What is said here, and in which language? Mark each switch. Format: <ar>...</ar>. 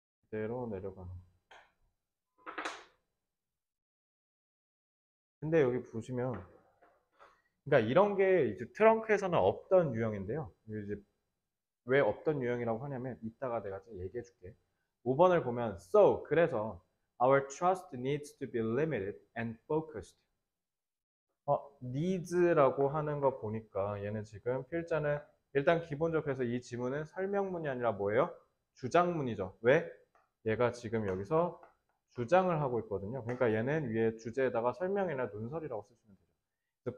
<ko>그대로 내려가는 거예요. 근데 여기 보시면, 그러니까 이런 게 이제 트렁크에서는 없던 유형인데요. 이제 왜 없던 유형이라고 하냐면, 이따가 내가 좀 얘기해 줄게. 5번을 보면,</ko> <en>so,</en> <ko>그래서,</ko> <en>our trust needs to be limited and focused.</en> <ko>needs라고 하는 거 보니까, 얘는 지금 필자는, 일단 기본적으로 해서 이 지문은 설명문이 아니라 뭐예요? 주장문이죠. 왜? 얘가 지금 여기서 주장을 하고 있거든요. 그러니까 얘는 위에 주제에다가 설명이나 논설이라고 쓰시면 돼요.</ko>